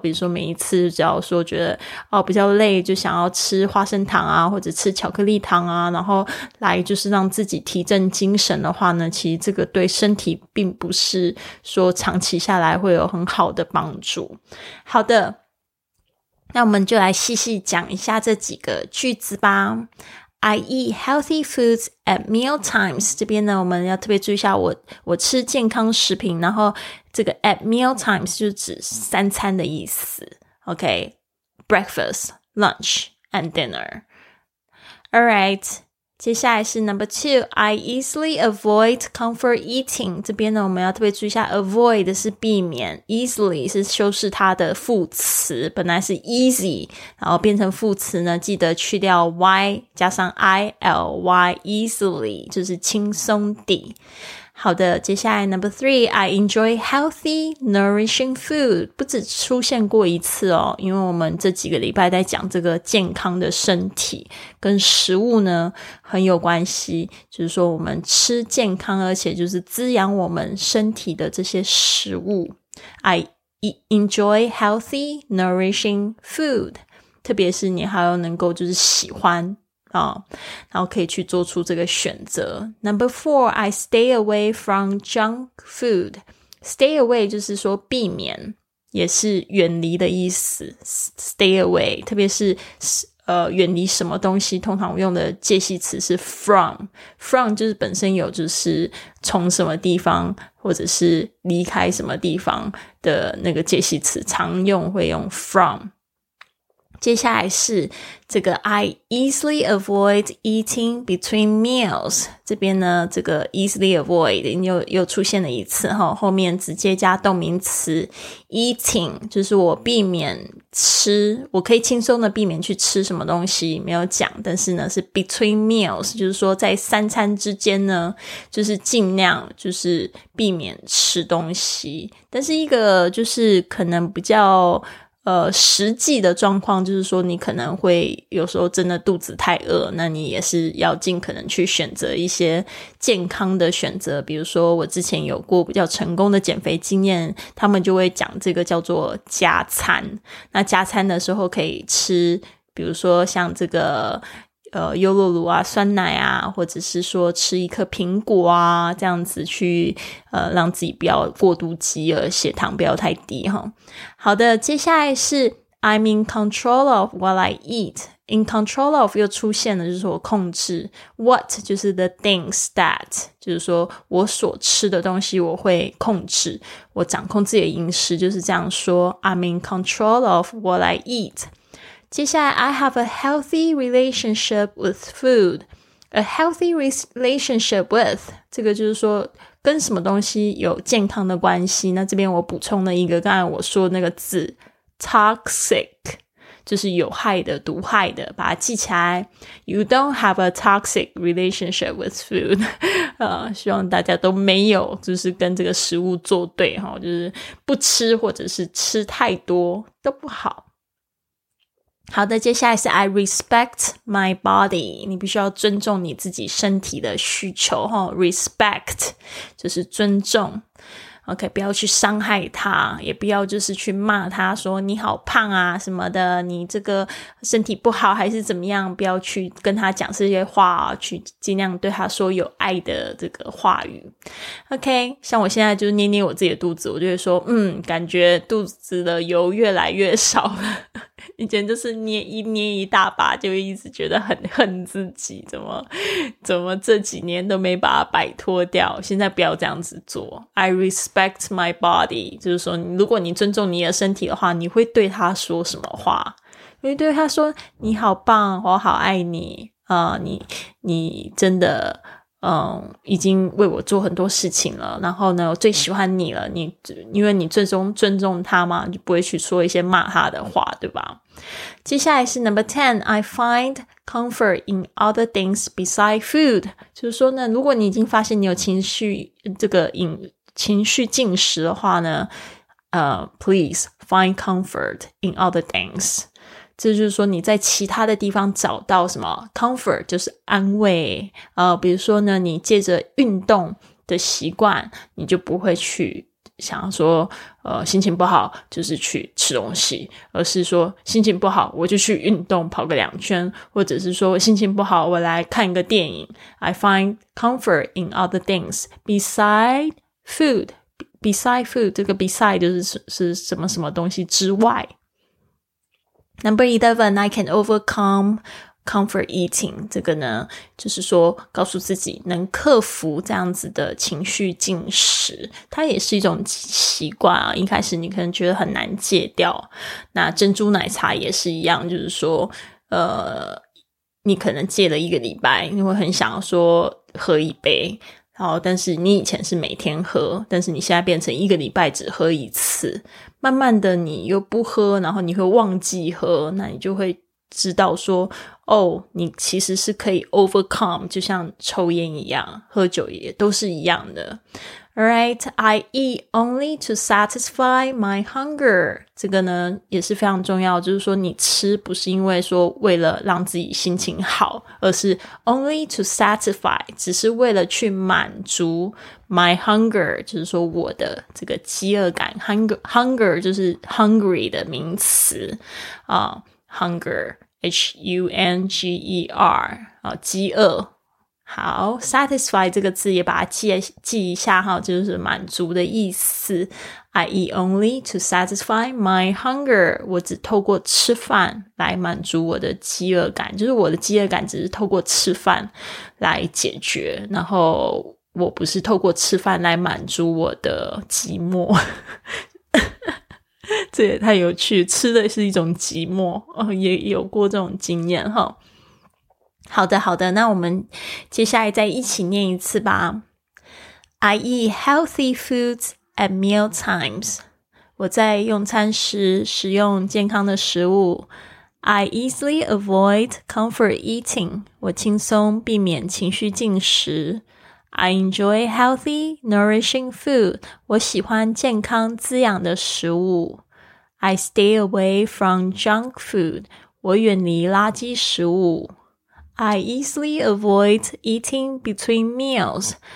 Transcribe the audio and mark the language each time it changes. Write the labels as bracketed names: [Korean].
[Chinese] 比如说每一次只要说觉得哦比较累，就想要吃花生糖啊，或者吃巧克力糖啊，然后来就是让自己提振精神的话呢，其实这个对身体并不是说长期下来会有很好的帮助。好的，那我们就来细细讲一下这几个句子吧。 [English] I eat healthy foods at meal times. [Chinese] 这边呢，我们要特别注意一下，我吃健康食品，然后这个 [English] at meal times [Chinese] 就指三餐的意思。 [English] OK, breakfast, lunch, and dinner. All right, [Chinese] 接下来是 [English] number two. I easily avoid comfort eating. [Chinese] 这边呢，我们要特别注意一下 ，avoid 是避免 ，easily 是修饰它的副词，本来是 easy， 然后变成副词呢，记得去掉 y 加上 ily, easily 就是轻松地。好的，接下来 [English] number three, I enjoy healthy, nourishing food. [Chinese] 不只出现过一次哦，因为我们这几个礼拜在讲这个健康的身体跟食物呢很有关系，就是说我们吃健康而且就是滋养我们身体的这些食物。 [English] I enjoy healthy, nourishing food. [Chinese] 特别是你还有能够就是喜欢哦、然后可以去做出这个选择。 [English] Number four, I stay away from junk food. [Chinese] Stay away 就是说避免，也是远离的意思。 Stay away 特别是远离什么东西，通常用的介系词是 from 就是本身有就是从什么地方或者是离开什么地方的那个介系词，常用会用 from。接下来是这个 [English] I easily avoid eating between meals. [Chinese] 这边呢这个 [English] easily avoid [Chinese] 又出现了一次齁，后面直接加动名词 eating, 就是我避免吃，我可以轻松的避免去吃什么东西，没有讲，但是呢是 [English] between meals, [Chinese] 就是说在三餐之间呢就是尽量就是避免吃东西。但是一个就是可能比较实际的状况就是说你可能会有时候真的肚子太饿，那你也是要尽可能去选择一些健康的选择。比如说我之前有过比较成功的减肥经验，他们就会讲这个叫做加餐。那加餐的时候可以吃比如说像这个优酪乳啊，酸奶啊，或者是说吃一颗苹果啊，这样子去让自己不要过度饥饿，血糖不要太低齁。好的，接下来是 [English] I'm in control of what I eat. In control of [Chinese] 又出现了，就是我控制 what 就是 [English] the things that, [Chinese] 就是说我所吃的东西我会控制，我掌控自己的饮食，就是这样说 [English] I'm in control of what I eat. [Chinese] 接下来 [English] I have a healthy relationship with food. A healthy relationship with, [Chinese] 这个就是说跟什么东西有健康的关系。那这边我补充了一个刚才我说的那个字 toxic, 就是有害的毒害的，把它记起来。 [English] You don't have a toxic relationship with food. [Chinese] 希望大家都没有就是跟这个食物作对，就是不吃或者是吃太多都不好。好的，接下来是 [English] I respect my body. [Chinese] 你必须要尊重你自己身体的需求齁。 Respect 就是尊重。OK, 不要去伤害他，也不要就是去骂他说你好胖啊什么的，你这个身体不好还是怎么样，不要去跟他讲这些话，去尽量对他说有爱的这个话语。 OK, 像我现在就捏捏我自己的肚子，我就会说嗯，感觉肚子的油越来越少了。以前就是捏一大把，就一直觉得很恨自己，怎么这几年都没把它摆脱掉，现在不要这样子做。 [English] I respect my body, [Chinese] 就是说如果你尊重你的身体的话，你会对他说什么话？你会对他说你好棒，我好爱你啊、你真的已经为我做很多事情了，然后呢我最喜欢你了，你因为你最终尊重他嘛，就不会去说一些骂他的话，对吧。接下来是 [English] number 10, I find comfort in other things beside food. [Chinese] 就是说呢，如果你已经发现你有情绪这个情绪进食的话呢， [English] please find comfort in other things. [Chinese] 这就是说你在其他的地方找到什么 comfort, 就是安慰。比如说呢，你借着运动的习惯，你就不会去想说心情不好就是去吃东西，而是说心情不好我就去运动跑个两圈，或者是说心情不好我来看一个电影。 [English] I find comfort in other things beside food. Beside food, [Chinese] 这个 beside 就是什么什么东西之外。 [English] Number 11, I can overcome comfort eating. [Chinese] 这个呢就是说告诉自己能克服这样子的情绪进食，它也是一种习惯啊，一开始你可能觉得很难戒掉。那珍珠奶茶也是一样，就是说你可能戒了一个礼拜，你会很想说喝一杯，然后但是你以前是每天喝，但是你现在变成一个礼拜只喝一次，慢慢的你又不喝，然后你会忘记喝，那你就会知道说哦，你其实是可以 overcome, 就像抽烟一样，喝酒也都是一样的。 [English] Alright, I eat only to satisfy my hunger. [Chinese] 这个呢也是非常重要，就是说你吃不是因为说为了让自己心情好，而是 [English] only to satisfy, [Chinese] 只是为了去满足 [English] my hunger, [Chinese] 就是说我的这个饥饿感。 hunger 就是 hungry 的名词啊。 [English] Hunger, H-U-N-G-E-R, [Chinese] 饥饿。好， satisfy 这个字也把它 记一下哈，就是满足的意思。 [English] I eat only to satisfy my hunger, [Chinese] 我只透过吃饭来满足我的饥饿感，就是我的饥饿感只是透过吃饭来解决，然后我不是透过吃饭来满足我的寂寞。这也太有趣，吃的是一种寂寞，也有过这种经验哈。好的好的，那我们接下来再一起念一次吧。 [English] I eat healthy foods at meal times. [Chinese] 我在用餐时食用健康的食物。 [English] I easily avoid comfort eating. [Chinese] 我轻松避免情绪进食。 [English] I enjoy healthy, nourishing food. [Chinese] 我喜欢健康滋养的食物。 [English] I stay away from junk food. [Chinese] 我远离垃圾食物。 [English] I easily avoid eating between meals.